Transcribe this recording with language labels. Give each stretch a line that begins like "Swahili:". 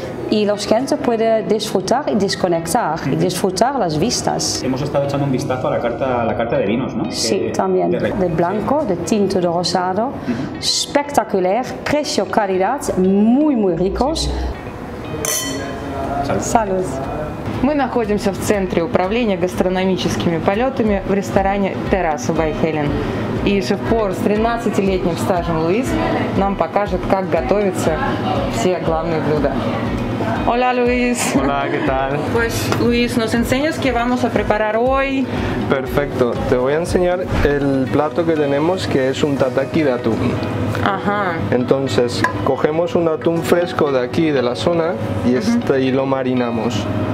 Spanish: Y los clientes pueden disfrutar y desconectar y disfrutar las vistas. Hemos estado echando un vistazo a la carta de vinos, ¿no? Sí, también. De blanco, de tinto, de rosado. Espectacular, precio, calidad, muy, muy ricos. Salud. Salud.
Russian: Мы находимся в центре управления гастрономическими полетами в ресторане «Терраса Байхелен». И шеф-повар с 13-летним стажем Луис нам покажет, как готовятся все главные блюда.
Spanish: Hola Luis. Hola, ¿qué tal? Pues Luis, ¿nos enseñas qué vamos a preparar hoy? Perfecto, te voy a enseñar el plato que tenemos, que es un tataki de atún. Ajá. Entonces, cogemos un atún fresco de aquí, de la zona, y este y lo marinamos.